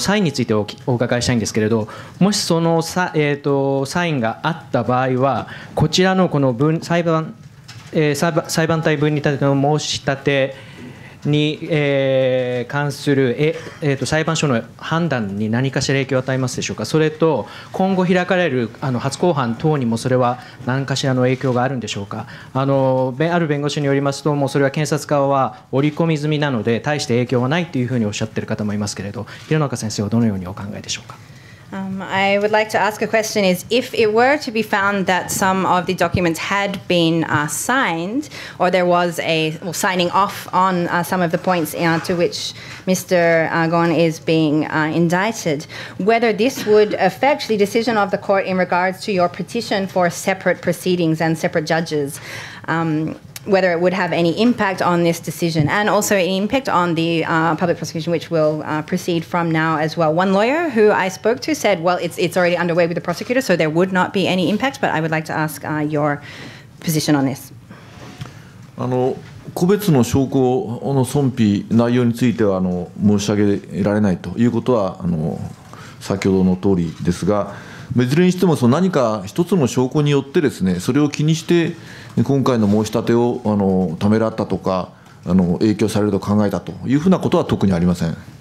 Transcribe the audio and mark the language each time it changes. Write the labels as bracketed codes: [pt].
[ja] サインについて お伺いしたいんですけれど、もしそのサインがあった場合は、こちらのこの分裁判裁判体分離立ての申し立てに関する裁判所の判断に何かしら影響を与えますでしょうか。それと今後開かれる初公判等にもそれは何かしらの影響があるんでしょうか。ある弁護士によりますと、もうそれは検察側は織り込み済みなので大して影響はないというふうにおっしゃっている方もいますけれど、平中先生はどのようにお考えでしょうか。 [en] I would like to ask a question is, if it were to be found that some of the documents had been signed, or there was a signing off on some of the points to which Mr. Gon is being indicted, whether this would affect the decision of the court in regards to your petition for separate proceedings and separate judges, whether it would have any impact on this decision and also any impact on the public prosecution, which will proceed from now as well. One lawyer who I spoke to said, well, it's already underway with the prosecutor, so there would not be any impact, but I would like to ask your position on this. [ja] 個別の証拠の損否内容については申し上げられないということは先ほどの通りですが、いずれにしても何か一つの証拠によってですね、それを気にして今回の申し立てをためらったとか影響されると考えたというふうなことは特にありません。